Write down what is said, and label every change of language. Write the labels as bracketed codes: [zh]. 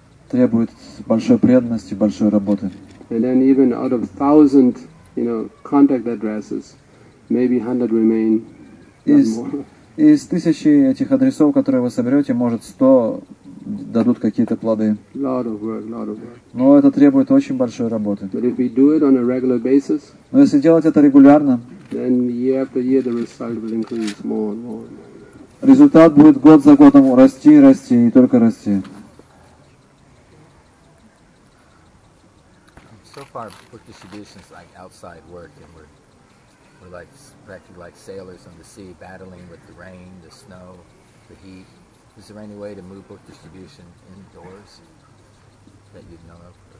[ru] Требует большой преданности, большой работы. [en] And then even out of 1,000, you know, contact addresses, maybe 100 remain. [ru] Из тысячи этих адресов, которые вы соберете, может 100 дадут какие-то плоды. Но это требует очень большой работы. Но если делать это регулярно, результат будет год за годом расти и расти, и только расти. [en] So far, book distributions like outside work, and we're like practically like sailors on the sea, battling with the rain, the snow, the heat. Is there any way to move book distribution indoors that you'd know of?